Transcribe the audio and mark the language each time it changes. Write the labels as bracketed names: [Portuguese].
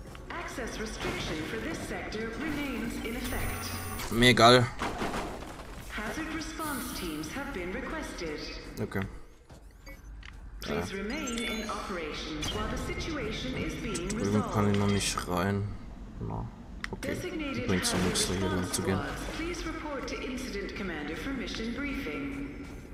[English] Access restriction for this sector remains in effect. [German] Mir egal. [English] Hazard response teams have been requested. Okay. Please remain in operations while the situation is being resolved. [German] Drüben kann ich noch nicht rein. Na, okay. Bringt so nichts, da hier lang zu gehen. [English] Please report to Incident Commander for mission briefing.